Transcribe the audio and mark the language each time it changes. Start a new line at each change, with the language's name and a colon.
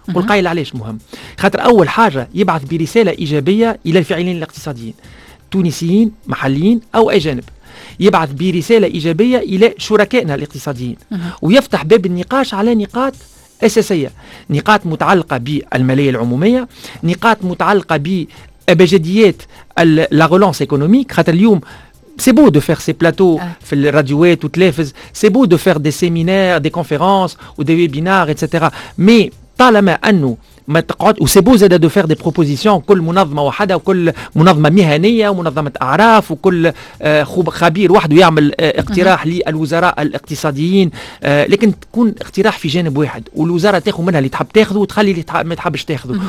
Arabic: والقائل عليش مهم خاطر أول حاجة يبعث برسالة إيجابية إلى الفاعلين الاقتصاديين تونسيين محليين أو أجانب، يبعث برسالة إيجابية إلى شركائنا الاقتصاديين ويفتح باب النقاش على نقاط أساسية، نقاط متعلقة بالمالية العمومية، نقاط متعلقة بأبجديات الغولانس إيكونوميك. خاطر اليوم
French: c'est beau de faire ces plateaux
Arabic: في الراديوات وتلفز،
French: c'est beau de faire des séminaires, des conférences ou des webinaires etc. mais
Arabic: طالما انه ما تقعد و
French: c'est beau
Arabic: زاد
French: de faire des propositions
Arabic: كل منظمه وحده وكل منظمه مهنيه ومنظمه اعراف وكل خبير وحده يعمل اقتراح للوزراء الاقتصاديين، لكن تكون اقتراح في جانب واحد والوزاره تاخذ منها اللي تحب تاخذه وتخلي اللي ما تحبش تاخذه.